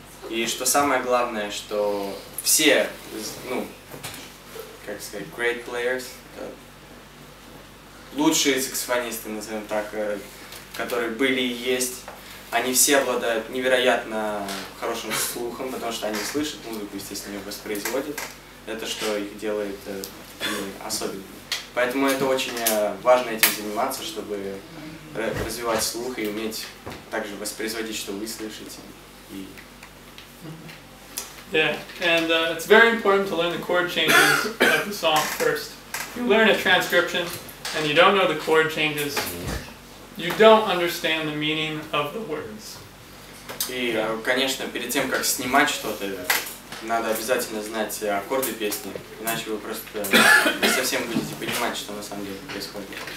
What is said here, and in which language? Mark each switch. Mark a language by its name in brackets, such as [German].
[Russian] И что самое главное, что все, ну, как сказать, [English] great players, [Russian] лучшие саксофонисты, назовем так, которые были и есть, они все обладают невероятно хорошим слухом, потому что они слышат музыку, естественно, ее воспроизводят. Это что их делает особенными. Поэтому это очень важно этим заниматься, чтобы развивать слух и уметь также воспроизводить, что вы слышите. И... [English] Yeah, and it's very important to learn the chord changes of the song first. You learn a transcription and you don't know the chord changes, you don't understand the meaning of the words. [Russian] И, конечно, перед тем, как снимать что-то, надо обязательно знать аккорды песни, иначе вы просто не совсем будете понимать, что на самом деле происходит.